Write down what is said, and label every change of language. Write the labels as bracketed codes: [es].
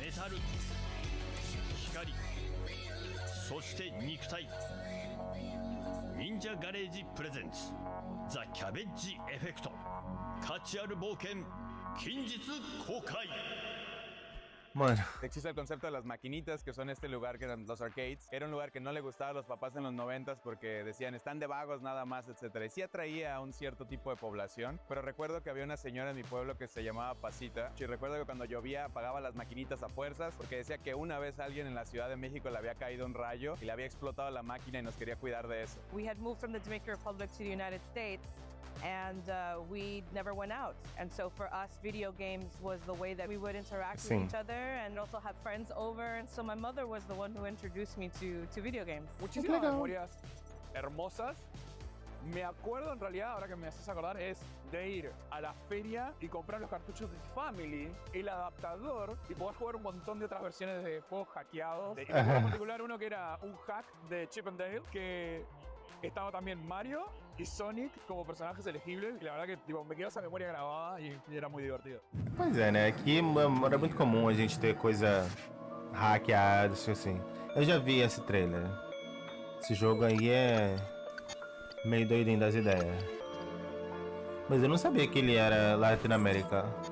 [ja] ル光そして肉体忍者ガレージプレゼンツザ・キャベッジエフェクト価値ある冒険近日公開。 [es] Bueno. Existe el concepto de las maquinitas, que son este lugar que eran los arcades. Era un lugar que no le gustaba a los papás en los 90s porque decían, están de vagos nada más, etc. Y sí atraía a un cierto tipo de población. Pero recuerdo que había una señora en mi pueblo que se llamaba Pasita. Y recuerdo que cuando llovía apagaba las maquinitas a fuerzas porque decía que una vez alguien en la Ciudad de México le había caído un rayo y le había explotado la máquina y nos quería cuidar de eso. [en] We had moved from the Dominican Republic to the United States. And we never went out. And so for us, video games was the way that we would interact [es] sí. [en] with each other and also have friends over. And so my mother was the one who introduced me to video games. [es] Muchísimas memorias hermosas. Me acuerdo en realidad, ahora que me haces acordar, es de ir a la feria y comprar los cartuchos de Family, el adaptador, y poder jugar un montón de otras versiones de juegos hackeados. En particular uno que era un hack de Chip and Dale, que estaba también Mario y Sonic como personajes elegibles. Y la verdad que tipo, me quedó esa memoria grabada y era muy divertido. [pt] Pois é, né? Aquí era muy común a gente ter coisa hackeada, así. Assim. Eu já vi esse trailer. Esse jogo aí é meio doidinho das ideias. Mas eu não sabia que ele era Latin America.